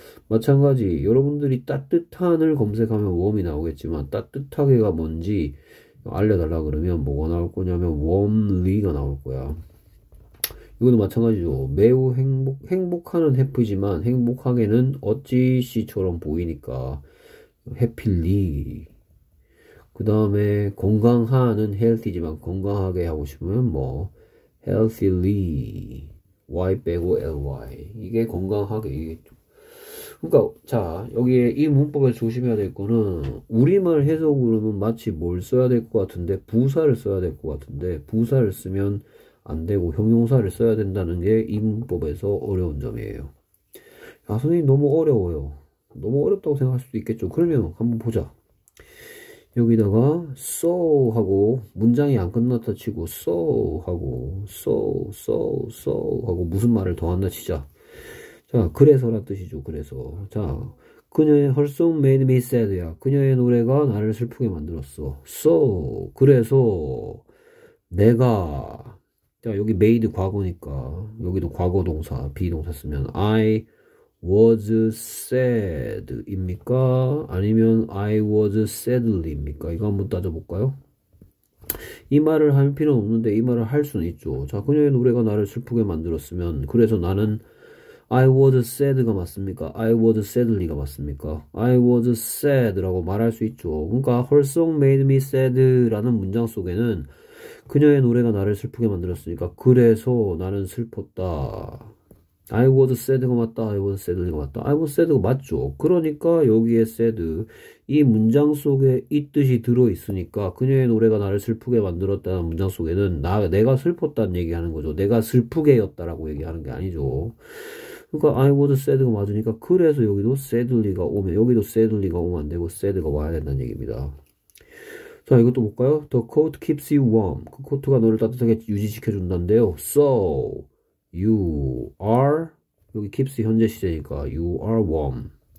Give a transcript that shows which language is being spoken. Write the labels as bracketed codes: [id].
[ko] 마찬가지 여러분들이 따뜻한을 검색하면 warm이 나오겠지만 따뜻하게가 뭔지 알려달라 그러면 뭐가 나올 거냐면 warmly가 나올 거야. 이것도 마찬가지죠. 매우 행복하는 해프지만 행복하게는 어찌씨처럼 보이니까 해피리. 그 다음에 건강하는 헬티지만 건강하게 하고 싶으면 뭐 healthily, y 빼고 ly. 이게 건강하게. 그러니까 자, 여기에 이 문법에 조심해야 될 거는 우리말 해석으로는 마치 뭘 써야 될것 같은데 부사를 써야 될것 같은데 부사를 쓰면 안 되고 형용사를 써야 된다는 게이 문법에서 어려운 점이에요. 아, 선생님 너무 어려워요. 너무 어렵다고 생각할 수도 있겠죠. 그러면 한번 보자. 여기다가 so 하고 문장이 안 끝났다 치고 so 하고 so 하고 무슨 말을 더한다 치자. 자, 그래서란 뜻이죠. 그래서 자, 그녀의 [en] her song made me sad [ko] 야. 그녀의 노래가 나를 슬프게 만들었어. So 그래서 내가 자 여기 made 과거니까 여기도 과거 동사 비동사 쓰면 [en] I was sad [ko] 입니까? 아니면 [en] I was sadly입니까? [ko] 이거 한번 따져볼까요? 이 말을 할 필요는 없는데 이 말을 할 수는 있죠. 자, 그녀의 노래가 나를 슬프게 만들었으면 그래서 나는 [en] I was sad [ko] 가 맞습니까? [en] I was sadly가 맞습니까? I was sad [ko] 라고 말할 수 있죠. 그러니까 [en] her song made me sad [ko] 라는 문장 속에는 그녀의 노래가 나를 슬프게 만들었으니까 그래서 나는 슬펐다. [en] I was sad가 맞다. I was sadly가 맞다. I was sad가 맞죠. [ko] 그러니까 여기에 sad 이 문장 속에 이 뜻이 들어 있으니까 그녀의 노래가 나를 슬프게 만들었다는 문장 속에는 내가 슬펐다는 얘기하는 거죠. 내가 슬프게였다라고 얘기하는 게 아니죠. 그러니까 [en] I was sad [ko] 가 맞으니까 그래서 여기도 sadly가 오면 여기도 sadly가 오면 안 되고 sad가 와야 된다는 얘기입니다. 자, 이것도 볼까요? [en] The coat keeps you warm. [ko] 그 코트가 너를 따뜻하게 유지시켜 준단데요. [en] So you are 여기 keeps [ko] 현재 시제니까 [en] you are warm.